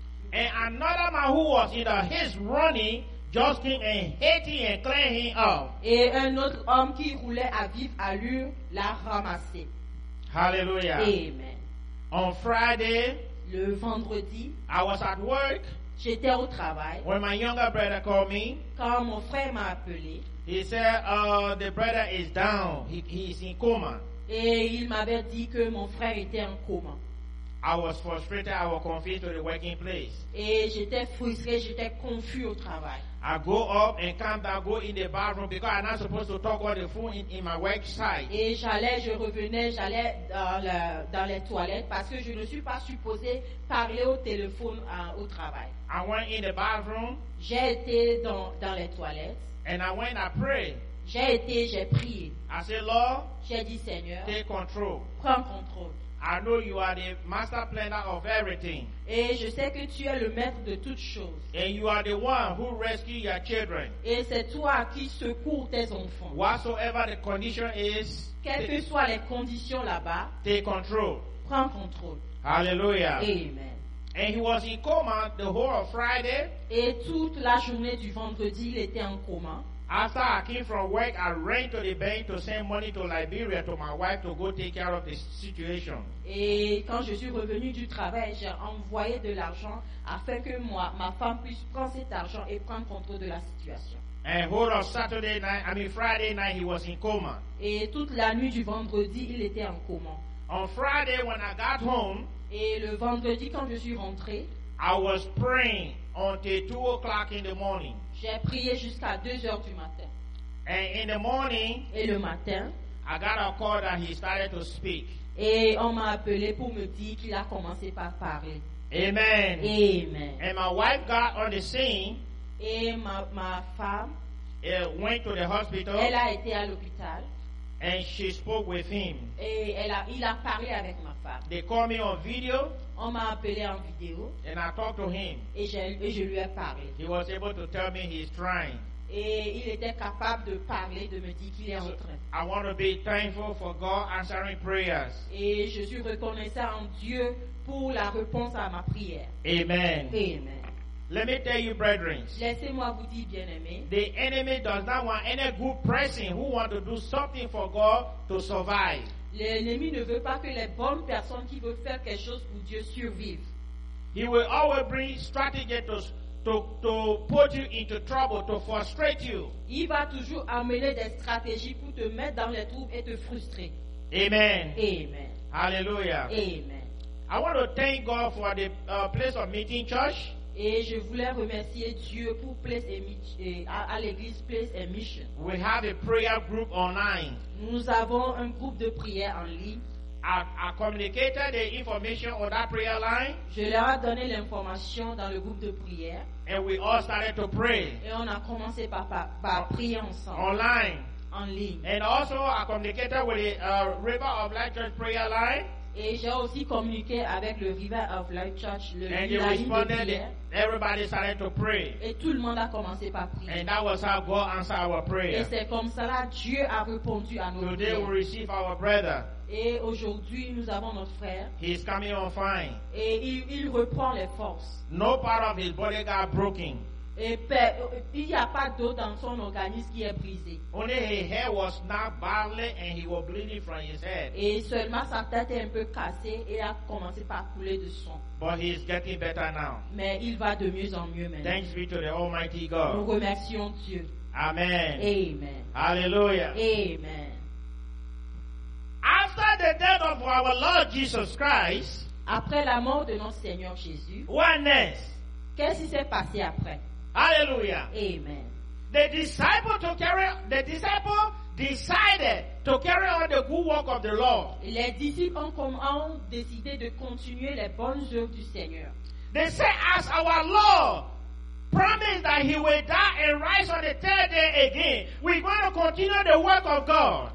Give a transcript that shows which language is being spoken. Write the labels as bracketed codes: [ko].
[en] And another man who was in his running just came and hit him and cleaned him up. [fr] Et un autre homme qui roulait à vive allure l'a ramassé. [en] Hallelujah. Amen. On Friday, [fr] le vendredi, [en] I was at work. [fr] J'étais au travail. [en] When my younger brother called me, [fr] quand mon frère m'a appelé, [en] he said, "The brother is down. He is in coma." [fr] Et il m'avait dit que mon frère était en coma. [en] I was frustrated. I was confused to the working place. [fr] Et j'étais frustré. J'étais confus au travail. [en] I go up and come down, go in the bathroom because I'm not supposed to talk on the phone in my work site. [fr] Et je revenais dans les toilettes parce que je ne suis pas supposé parler au téléphone au travail. [en] I went in the bathroom. [fr] J'ai été dans les toilettes. [en] And I went, I prayed. [fr] J'ai prié. [en] I said, Lord, [fr] j'ai dit, Seigneur, [en] take control. [fr] Prends contrôle. [en] I know you are the master planner of everything. [fr] Et je sais que tu es le maître de toutes choses. [en] And you are the one who rescues your children. [fr] Et c'est toi qui secours tes enfants. [en] Whatsoever the condition is, [fr] quelles que soient les conditions là-bas, [en] take control. [fr] Prends contrôle. [en] Hallelujah. Amen. And he was in coma the whole of Friday. [fr] Et toute la journée du vendredi, il était en coma. [en] After I came from work, I ran to the bank to send money to Liberia to my wife to go take care of the situation. [fr] Et quand je suis revenu du travail, j'ai envoyé de l'argent afin que ma femme puisse prendre cet argent et prendre contrôle de la situation. [en] And whole of Saturday night, Friday night, he was in coma. [fr] Et toute la nuit du vendredi, il était en coma. [en] On Friday when I got home, [fr] et le vendredi quand je suis rentré, [en] I was praying until 2 o'clock in the morning. [fr] J'ai prié jusqu'à 2 heures du matin. [en] And in the morning, [fr] et le matin, [en] I got a call that he started to speak. [fr] Et on m'a appelé pour me dire qu'il a commencé par parler. [en] Amen. Amen. And my wife got on the scene. [fr] Et ma femme, elle [en] went to the hospital. [fr] Elle a été à l'hôpital. [en] And she spoke with him. [fr] Et il a parlé avec ma femme. [en] They called me on video. [fr] On m'a appelé en vidéo. [en] And I talked to him. [fr] Et je lui ai parlé. [en] He was able to tell me he's trying. [fr] Et il était capable de parler, de me dire qu'il est en train. [en] I want to be thankful for God answering prayers. [fr] Et je suis reconnaissant en Dieu pour la réponse à ma prière. [en] Amen. Amen. Let me tell you, brethren. [fr] Laissez-moi vous dire, bien-aimés. [en] The enemy does not want any good person who want to do something for God to survive. [fr] L'ennemi ne veut pas que les bonnes personnes qui veulent faire quelque chose pour Dieu survivent. [en] He will always bring strategies to put you into trouble, to frustrate you. [fr] Il va toujours amener des stratégies pour te mettre dans les troubles et te frustrer. [en] Amen. Amen. Hallelujah. Amen. I want to thank God for the place of meeting church. [fr] Et je voulais remercier Dieu pour Place à l'église Place et Mission. [en] We have a prayer group online. [fr] Nous avons un groupe de prière en ligne. [en] I communicated the information on that prayer line. [fr] Je leur ai donné l'information dans le groupe de prière. [en] And we all started to pray. [fr] Et on a commencé par prier ensemble. [en] Online. [fr] en ligne. [en] And also I communicated with the River of Life Church prayer line. [fr] Et j'ai aussi communiqué avec le River of Life Church, le [en] and [fr] la ligne de [en] everybody started to pray. [fr] Et tout le monde a commencé par prier. [en] And that was how God answered our prayer. [fr] Et c'est comme cela Dieu a répondu à nos prières. [en] Today we receive our brother. [fr] Et aujourd'hui nous avons notre frère. [en] He is coming on fine. [fr] Et il reprend les forces. [en] No part of his body got broken. [fr] Et il n'y a pas d'eau dans son organisme qui est brisé. [en] Only his hair was not badly and he was bleeding from his head. [fr] Et seulement sa tête est un peu cassée et a commencé par couler du sang. [en] But he is getting better now. [fr] Mais il va de mieux en mieux maintenant. [en] Thanks be to the Almighty God. [fr] Nous remercions Dieu. [en] Amen. Amen. Hallelujah. Amen. After the death of our Lord Jesus Christ, [fr] après la mort de notre Seigneur Jésus, [en] what next? [fr] Qu'est-ce qui s'est passé après? [en] Hallelujah. Amen. The disciples decided to carry on the good work of the Lord. [fr] Les disciples ont décidé de continuer les bonnes œuvres du Seigneur. [en] They said, as our Lord promised that he will die and rise on the third day again, we're going to continue the work of God.